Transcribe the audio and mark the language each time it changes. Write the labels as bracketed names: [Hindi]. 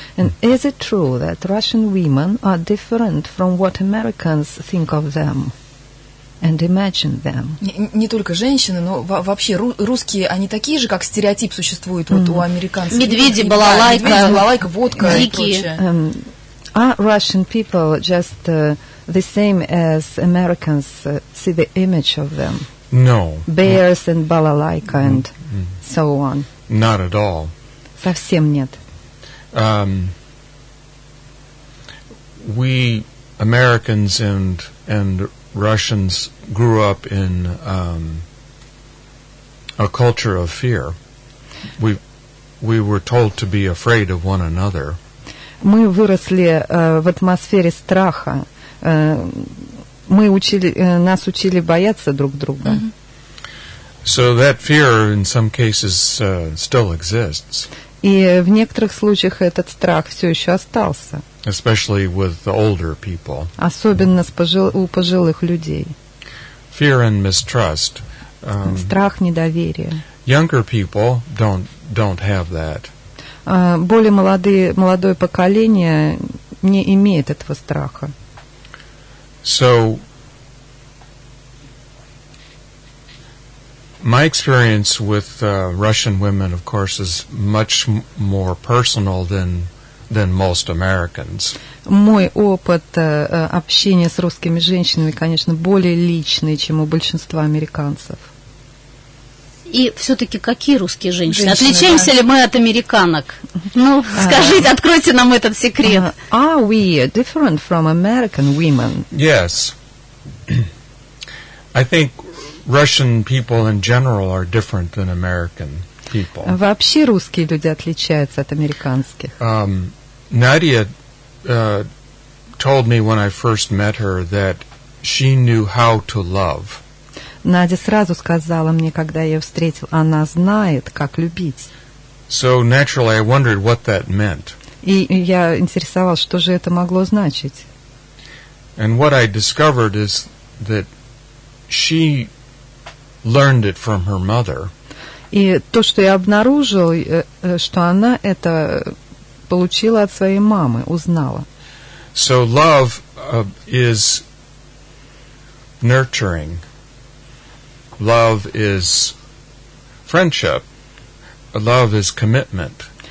[English] And is it true that Russian women are different from what Americans think of them? And imagine them. [Russian] Не только женщины, но вообще русские, они такие же, как стереотип существует вот у американцев. Медведи, балалайка, да, балалайка, водка, дикие. [English] Are Russian people just the same as Americans see the image of them? No. Bears and balalaika and so on. Not at all. [Russian] Совсем нет. [English] We Americans and Russians grew up in a culture of fear. We were told to be afraid of one another. [Russian] Мы выросли в атмосфере страха. Нас учили бояться друг друга. [English] So that fear in some cases still exists. [Russian] И в некоторых случаях этот страх все еще остался. [English] Especially with the older people. [Russian] Особенно у пожилых людей. [English] Fear and mistrust. [Russian] Страх, недоверие. [English] Younger people don't have that. [Russian] Более молодое поколение не имеет этого страха. [English] So, my experience with Russian women, of course, is much more personal than most Americans. [Russian] Мой опыт общения с русскими женщинами, конечно, более личный, чем у большинства американцев. И все-таки какие русские женщины? Отличаемся ли мы от американок? Ну, скажите, откройте нам этот секрет. [English] Are we different from American women? Yes. I think Russian people in general are different than American people. [Russian] Вообще русские люди отличаются от американских. [English] Nadia told me when I first met her that she knew how to love. [Russian] Надя сразу сказала мне, когда я её встретил, она знает, как любить. [English] So naturally I wondered what that meant. [Russian] И я интересовался, что же это могло значить. [English] And what I discovered is that she learned it from her mother. [Russian] И то, что я обнаружил, что она это получила от своей мамы, узнала. [English] So love is nurturing. Love is friendship. Love is commitment.